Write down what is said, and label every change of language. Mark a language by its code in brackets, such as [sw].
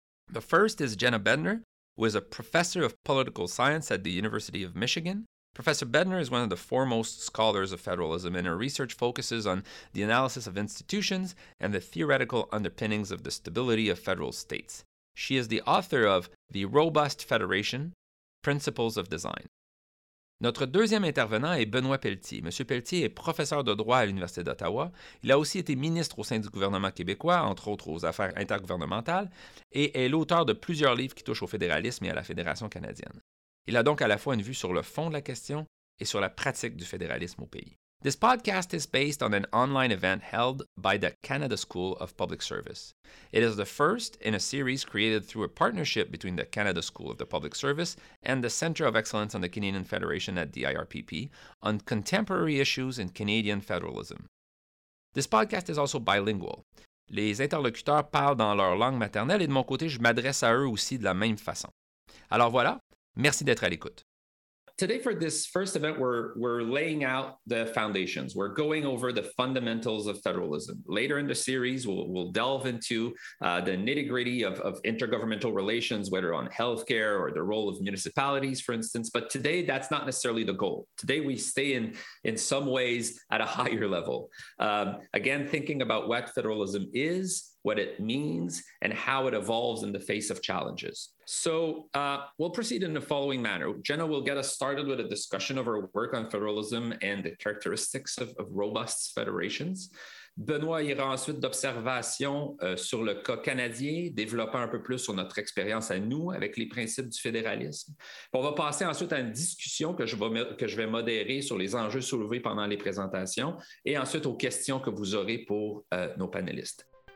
[en] The first is Jenna Bednar, who is a professor of political science at the University of Michigan. Professor Bednar is one of the foremost scholars of federalism, and her research focuses on the analysis of institutions and the theoretical underpinnings of the stability of federal states. She is the author of The Robust Federation, Principles of Design. [fr] Notre deuxième intervenant est Benoît Pelletier. Monsieur Pelletier est professeur de droit à l'Université d'Ottawa. Il a aussi été ministre au sein du gouvernement québécois, entre autres aux affaires intergouvernementales, et est l'auteur de plusieurs livres qui touchent au fédéralisme et à la Fédération canadienne. Il a donc à la fois une vue sur le fond de la question et sur la pratique du fédéralisme au pays. [en] This podcast is based on an online event held by the Canada School of Public Service. It is the first in a series created through a partnership between the Canada School of the Public Service and the Centre of Excellence on the Canadian Federation at the IRPP on contemporary issues in Canadian federalism. This podcast is also bilingual. [fr] Les interlocuteurs parlent dans leur langue maternelle et de mon côté, je m'adresse à eux aussi de la même façon. Alors voilà, merci d'être à l'écoute. [en] Today, for this first event, we're laying out the foundations. We're going over the fundamentals of federalism. Later in the series, we'll delve into the nitty-gritty of intergovernmental relations, whether on healthcare or the role of municipalities, for instance. But today, that's not necessarily the goal. Today, we stay in some ways at a higher level. Again, thinking about what federalism is, what it means, and how it evolves in the face of challenges. So we'll proceed in the following manner. Jenna will get us started with a discussion of her work on federalism and the characteristics of robust federations. [fr] Benoît ira ensuite d'observations sur le cas canadien, développant un peu plus sur notre expérience à nous avec les principes du fédéralisme. On va passer ensuite à une discussion que je vais modérer sur les enjeux soulevés pendant les présentations et ensuite aux questions que vous aurez pour nos panélistes.